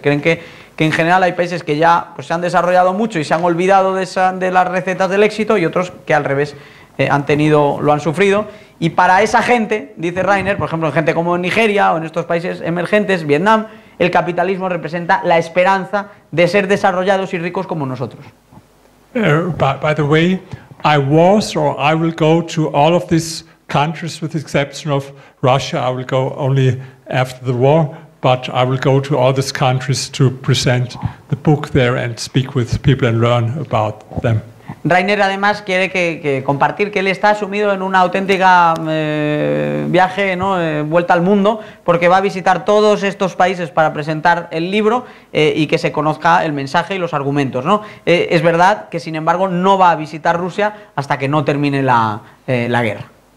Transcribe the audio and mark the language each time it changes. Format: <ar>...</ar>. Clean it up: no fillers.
<es>Creen que en general hay países que ya pues, se han desarrollado mucho y se han olvidado de las recetas del éxito, y otros que al revés lo han sufrido. Y para esa gente, dice Rainer, por ejemplo, gente como en Nigeria o en estos países emergentes, Vietnam, el capitalismo representa la esperanza de ser desarrollados y ricos como nosotros.</es> <en>By the way, I was or I will go to all of these countries with the exception of Russia. I will go only after the war, but I will go to all these countries to present the book there and speak with people and learn about them.</en> <es>Rainer además quiere que compartir que él está sumido en una auténtica viaje, ¿no? Vuelta al mundo, porque va a visitar todos estos países para presentar el libro y que se conozca el mensaje y los argumentos, ¿no? Es verdad que, sin embargo, no va a visitar Rusia hasta que no termine la guerra.</es>